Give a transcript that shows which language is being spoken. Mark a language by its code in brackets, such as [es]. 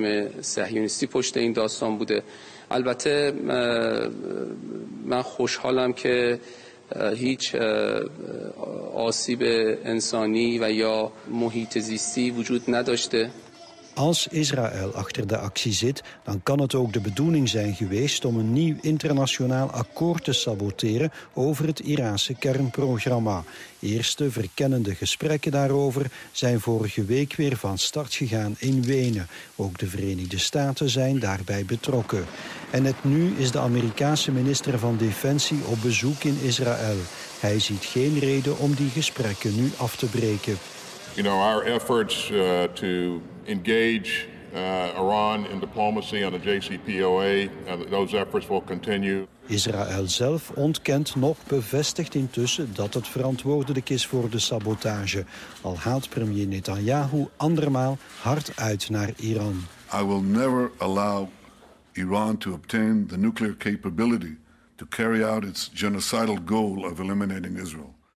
[fa] البته من خوشحالم که هیچ آسیب انسانی و یا محیط زیستی وجود نداشته. [nl] Als Israël achter de actie zit, dan kan het ook de bedoeling zijn geweest om een nieuw internationaal akkoord te saboteren over het Iraanse kernprogramma. Eerste verkennende gesprekken daarover zijn vorige week weer van start gegaan in Wenen. Ook de Verenigde Staten zijn daarbij betrokken. En net nu is de Amerikaanse minister van Defensie op bezoek in Israël. Hij ziet geen reden om die gesprekken nu af te breken. [en] You know, our efforts to engage Iran in diplomacy on the JCPOA, those efforts will continue. [nl] Israël zelf ontkent nog, bevestigt intussen dat het verantwoordelijk is voor de sabotage. Al haalt premier Netanyahu andermaal hard uit naar Iran. [en] I will never allow Iran to obtain the nuclear capability to carry out its genocidal goal of eliminating Israel.